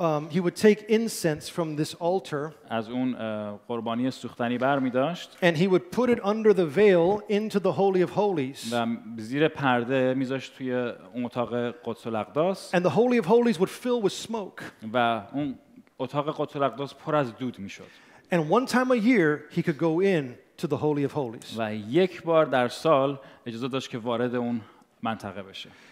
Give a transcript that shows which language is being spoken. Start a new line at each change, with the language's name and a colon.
English: He would take incense from this altar,
Persian: از اون قربانی سوختنی بر می داشت,
English: and he would put it under the veil into the Holy of Holies.
Persian: و زیر پرده می ذاشت توی اون اتاق قدس الاقداس.
English: And the Holy of Holies would fill with smoke.
Persian: و اون اتاق قدس الاقداس پر از دود می شد.
English: And one time a year he could go in to the Holy of Holies.
Persian: و یک بار در سال اجازه داشت که وارد اون منطقه بشه.